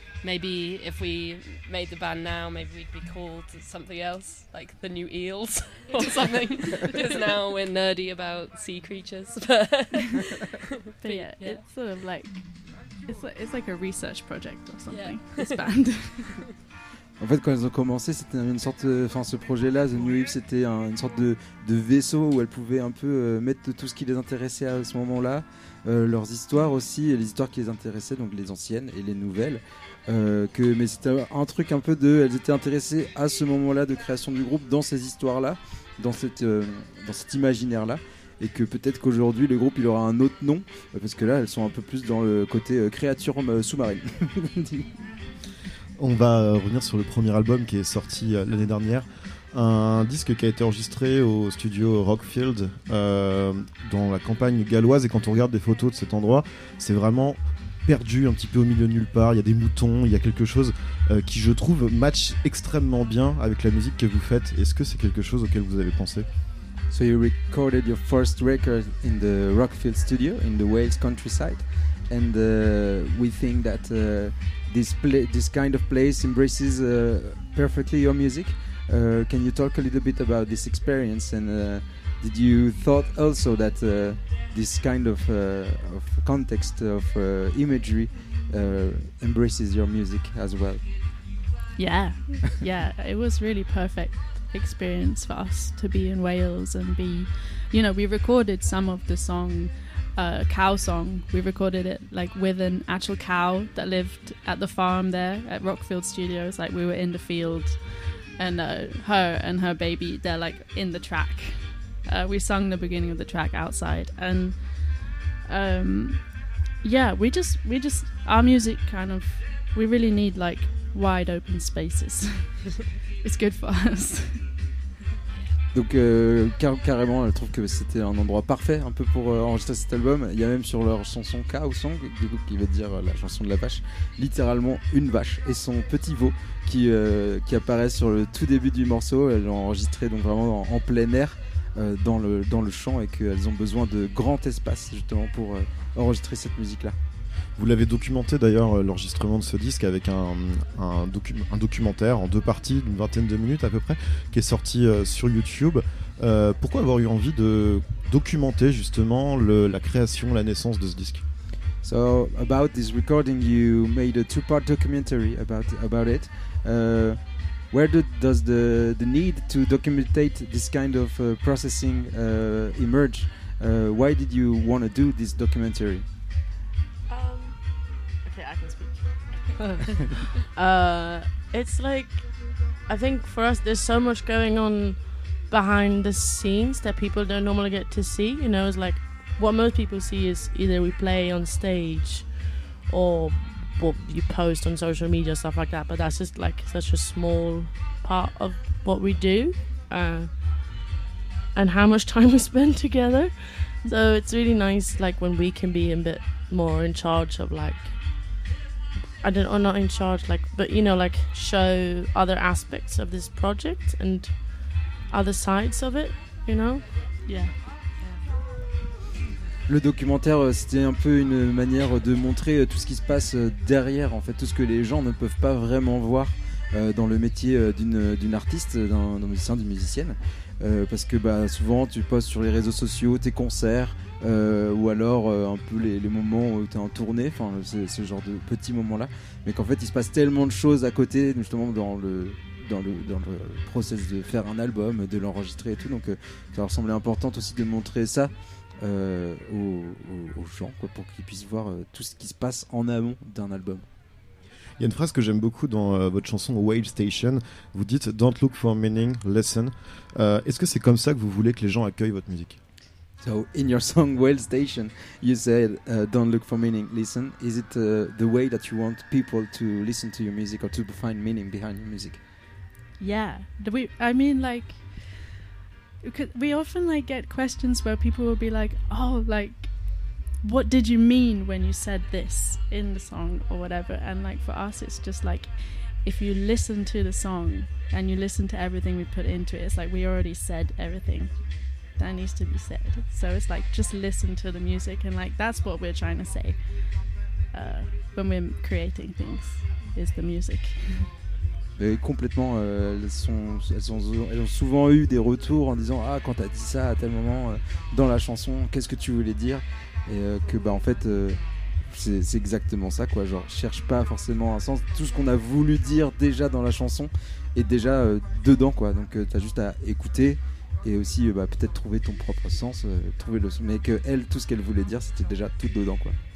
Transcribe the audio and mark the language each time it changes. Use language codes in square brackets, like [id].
[en] Maybe if we made the band now, maybe we'd be called something else, like the New Eels or something. Because now we're nerdy about sea creatures. But it's sort of like it's like a research project or something. Yeah. This band. [fr] En fait, quand ils ont commencé, c'était une sorte, ce projet-là, The New Eve, c'était une sorte de vaisseau où elles pouvaient un peu mettre tout ce qui les intéressait à ce moment-là, leurs histoires aussi, et les histoires qui les intéressaient, donc les anciennes et les nouvelles. Mais c'était un truc un peu de... Elles étaient intéressées à ce moment-là de création du groupe, dans ces histoires-là, dans cet imaginaire-là. Et que peut-être qu'aujourd'hui, le groupe, il aura un autre nom, parce que là, elles sont un peu plus dans le côté créature sous-marine. On va revenir sur le premier album qui est sorti l'année dernière, un disque qui a été enregistré au studio Rockfield dans la campagne galloise, et quand on regarde des photos de cet endroit, c'est vraiment perdu un petit peu au milieu de nulle part, il y a des moutons, il y a quelque chose qui, je trouve, match extrêmement bien avec la musique que vous faites. Est-ce que c'est quelque chose auquel vous avez pensé? [en] So you recorded your first record in the Rockfield studio in the Wales countryside, and we think that this kind of place embraces perfectly your music. Can you talk a little bit about this experience, and did you thought also that this kind of context of imagery embraces your music as well? Yeah it was really perfect experience for us to be in Wales and be, you know, we recorded some of the song, cow song, we recorded it like with an actual cow that lived at the farm there at Rockfield Studios. Like, we were in the field, and her and her baby, they're like in the track. We sung the beginning of the track outside, and we just our music kind of, we really need like wide open spaces. It's good for us. [fr] Donc carrément, elle trouve que c'était un endroit parfait un peu pour enregistrer cet album. Il y a même sur leur chanson Cow Song, du coup, qui veut dire la chanson de la vache, littéralement une vache et son petit veau qui apparaissent sur le tout début du morceau. Elles l'ont enregistré donc vraiment en plein air dans le champ, et qu'elles ont besoin de grand espace justement pour enregistrer cette musique là. Vous l'avez documenté d'ailleurs, l'enregistrement de ce disque, avec un documentaire en deux parties d'une vingtaine de minutes à peu près, qui est sorti sur YouTube. Pourquoi avoir eu envie de documenter justement la création, la naissance de ce disque? [en] So about this recording, you made a two-part documentary about it. Where does the need to documentate this kind of processing emerge? Why did you want to do this documentary? Okay, I can speak. It's like, I think for us, there's so much going on behind the scenes that people don't normally get to see. You know, it's like what most people see is either we play on stage or what you post on social media, stuff like that. But that's just like such a small part of what we do. And how much time we spend together. So it's really nice, like, when we can be a bit more in charge of, like, I don't know, not in charge, like, but, you know, like, show other aspects of this project and other sides of it, you know? Yeah. [fr] Le documentaire, c'était un peu une manière de montrer tout ce qui se passe derrière, en fait, tout ce que les gens ne peuvent pas vraiment voir dans le métier d'une artiste, d'un musicien, d'une musicienne. Parce que bah, souvent tu postes sur les réseaux sociaux tes concerts ou alors un peu les moments où tu es en tournée, enfin ce genre de petits moments là, mais qu'en fait il se passe tellement de choses à côté, justement dans le process de faire un album, de l'enregistrer et tout, donc ça leur semblait important aussi de montrer ça aux gens, quoi, pour qu'ils puissent voir tout ce qui se passe en amont d'un album. Il y a une phrase que j'aime beaucoup dans votre chanson Whale Station, vous dites [en] don't look for meaning, listen. [fr] Est-ce que c'est comme ça que vous voulez que les gens accueillent votre musique? [en] So in your song Whale Station, you said don't look for meaning, listen. Is it the way that you want people to listen to your music or to find meaning behind your music? Yeah. I mean, like, we often like get questions where people will be like, "Oh, like, what did you mean when you said this in the song or whatever?" And like for us, it's just like, if you listen to the song and you listen to everything we put into it, it's like we already said everything that needs to be said. So it's like just listen to the music, and like that's what we're trying to say when we're creating things, is the music. [fr] Et complètement, elles ont souvent eu des retours en disant, ah, quand t'as dit ça à tel moment dans la chanson, qu'est-ce que tu voulais dire? Et que bah en fait c'est exactement ça, quoi, genre cherche pas forcément un sens, tout ce qu'on a voulu dire déjà dans la chanson est déjà dedans, quoi, donc t'as juste à écouter et aussi bah peut-être trouver ton propre sens, trouver le sens, mais que elle, tout ce qu'elle voulait dire, c'était déjà tout dedans, quoi.